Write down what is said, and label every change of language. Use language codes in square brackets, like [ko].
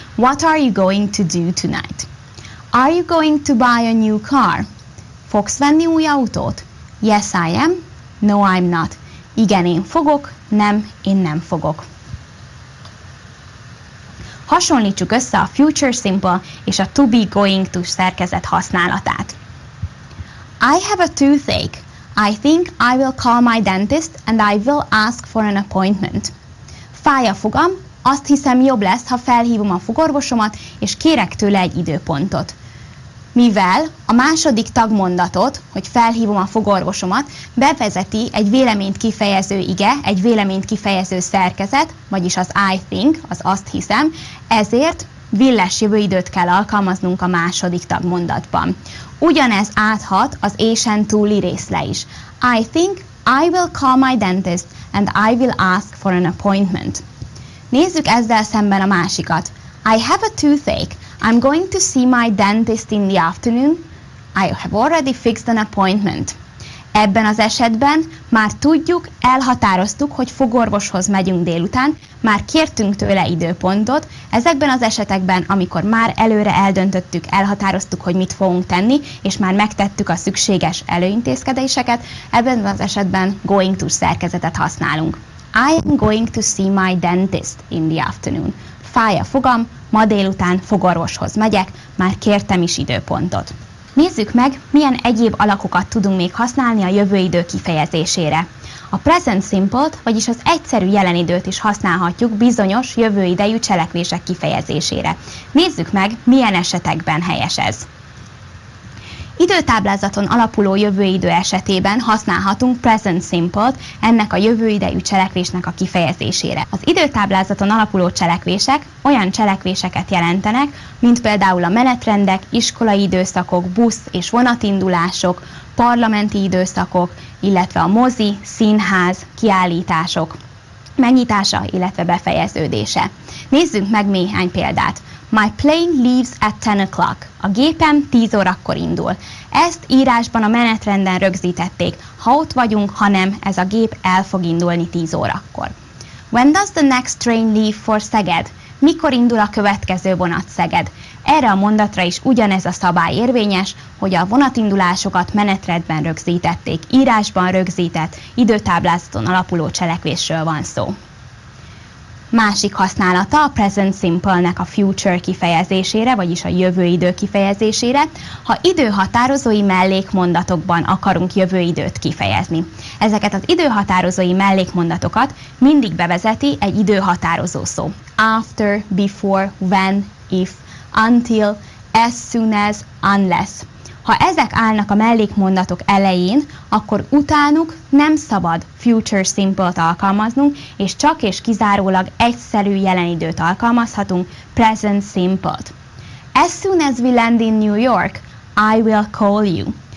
[en] What are you going to do tonight? Are you going to buy a new car? [hu] Fogsz venni új autót? [en] Yes, I am. No, I'm not. [hu] Igen, én fogok. Nem, én nem fogok. Hasonlítsuk össze a future simple és a to be going to szerkezet használatát. [en] I have a toothache. I think I will call my dentist and I will ask for an appointment. [hu] Fáj a fogam, azt hiszem jobb lesz, ha felhívom a fogorvosomat és kérek tőle egy időpontot. mivel a második tagmondatot, hogy felhívom a fogorvosomat, bevezeti egy véleményt kifejező ige, egy véleményt kifejező szerkezet, vagyis az I think, az azt hiszem, ezért villes jövőidőt kell alkalmaznunk a második tagmondatban. Ugyanez áthat az és-en túli részre is. [en] I think I will call my dentist and I will ask for an appointment. [hu] Nézzük ezzel szemben a másikat. [en] I have a toothache. I'm going to see my dentist in the afternoon. I have already fixed an appointment. [hu] Ebben az esetben már tudjuk, elhatároztuk, hogy fogorvoshoz megyünk délután, már kértünk tőle időpontot. Ezekben az esetekben, amikor már előre eldöntöttük, elhatároztuk, hogy mit fogunk tenni, és már megtettük a szükséges előintézkedéseket, ebben az esetben going to szerkezetet használunk. [en] I am going to see my dentist in the afternoon. [hu] Fáj a fogam, ma délután fogorvoshoz megyek, már kértem is időpontot. Nézzük meg, milyen egyéb alakokat tudunk még használni a jövőidő kifejezésére. A present simple-t, vagyis az egyszerű jelen időt is használhatjuk bizonyos jövőidejű cselekvések kifejezésére. Nézzük meg, milyen esetekben helyes ez. Időtáblázaton alapuló jövőidő esetében használhatunk present simple-t ennek a jövőidejű cselekvésnek a kifejezésére. Az időtáblázaton alapuló cselekvések olyan cselekvéseket jelentenek, mint például a menetrendek, iskolai időszakok, busz és vonatindulások, parlamenti időszakok, illetve a mozi, színház, kiállítások megnyitása, illetve befejeződése. Nézzünk meg néhány példát. [en] My plane leaves at 10 o'clock. [hu] A gépem 10 órakor indul. Ezt írásban a menetrenden rögzítették. Ha ott vagyunk, ha nem, ez a gép el fog indulni 10 órakor. [en] When does the next train leave for Szeged? [hu] Mikor indul a következő vonat Szeged? Erre a mondatra is ugyanez a szabály érvényes, hogy a vonatindulásokat menetrendben rögzítették. Írásban rögzített, időtáblázaton alapuló cselekvésről van szó. Másik használata a present simple-nek a future kifejezésére, vagyis a jövőidő kifejezésére, ha időhatározói mellékmondatokban akarunk jövőidőt kifejezni. Ezeket az időhatározói mellékmondatokat mindig bevezeti egy időhatározó szó. [en] After, before, when, if, until, as soon as, unless. [hu] Ha ezek állnak a mellékmondatok elején, akkor utánuk nem szabad future simple-t alkalmaznunk, és csak és kizárólag egyszerű jelen időt alkalmazhatunk, present simple-t. [en] As soon as we land in New York, I will call you.